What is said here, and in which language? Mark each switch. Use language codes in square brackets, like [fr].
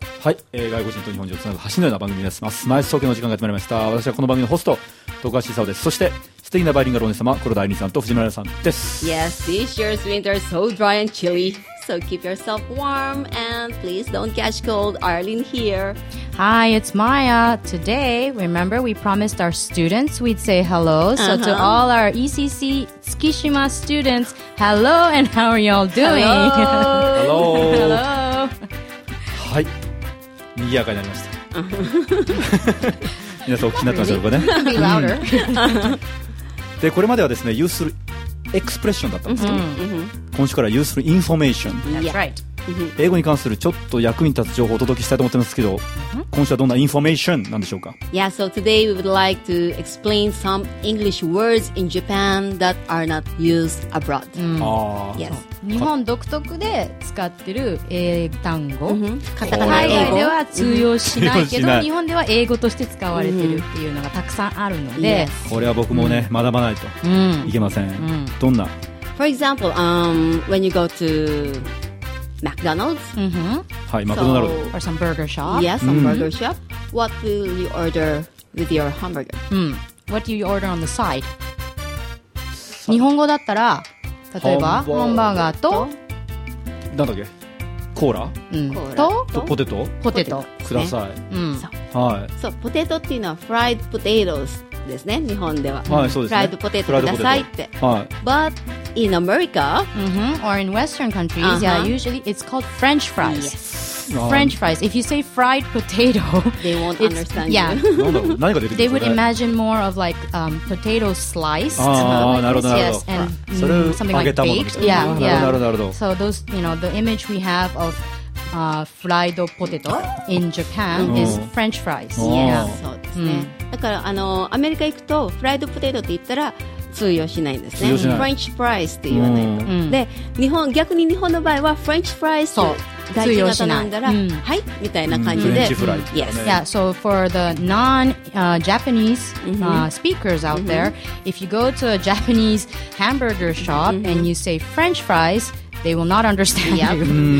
[ja] はい、外国人と日本人をつなぐ橋のような番組です。 My Eyes Tokyo の時間が始まりました。私はこの番組のホスト、徳橋沙央です。そして素敵なバイリンガルお姉様、黒田愛理さんと藤村さんです。 [en] Yes, this year's winter is so dry and chilly, so keep yourself warm and please don't catch cold. Arlin here. Hi, it's Maya. Today, remember we promised our students we'd say hello. So to all our ECC Tsukishima students, hello and how are y'all doing? Hello. Hello. [ja] はい、賑やかになりました。皆さん大きくなってますよね。でこれまではですね、ユースエクスプレッションだったんですけど、今週からユースインフォメーション、英語に関するちょっと役に立つ情報をお届けしたいと思ってますけど、今週はどんなインフォメーションなんでしょうか。 [en] Yeah, so today we would like to explain some English words in Japan that are not used abroad. [ja] 日本独特で使ってる英単語、カタカナ英語では通用しないけど、日本では英語として使われてるっていうのがたくさんあるので、これは僕もね、学ばないといけません。どんな、 [en] For example, when you go to McDonald's, [ja] はい、マクドナルド、 [en] or some burger shop, yes, some burger shop, what will you order with your hamburger? What do you order on the side? [ja] 日本語だったら、例えばハンバーガーと、なんだっけ、コーラ、とポテト、ポテトください。はい。そう、ポテトっていうのはフライドポテトですね、日本では。はい、そうです、フライドポテトくださいって。はい。 [en] But in America, or in Western countries, yeah, usually it's called French fries. French fries. If you say fried potato, they won't understand. Yeah. [ja] 何が出てくる？ [en] They would imagine more of like potato sliced. [ja] なるほどなるほど。 [en] And something like baked. [ja] Yeah. なるほどなるほど。 [en] So those, you know, the image we have of fried potato in Japan is French fries. [ja] Yeah. そうですね。だからあのアメリカ行くとフライドポテトって言ったら通用しないんですね。フレンチフライスって言わないと。で、日本、逆に日本の場合はフレンチフライス大事型なんだら、はいみたいな感じで。 [en] Yes. Yeah. So for the non Japanese speakers out there, if you go to a Japanese hamburger shop and you say French fries, they will not understand you.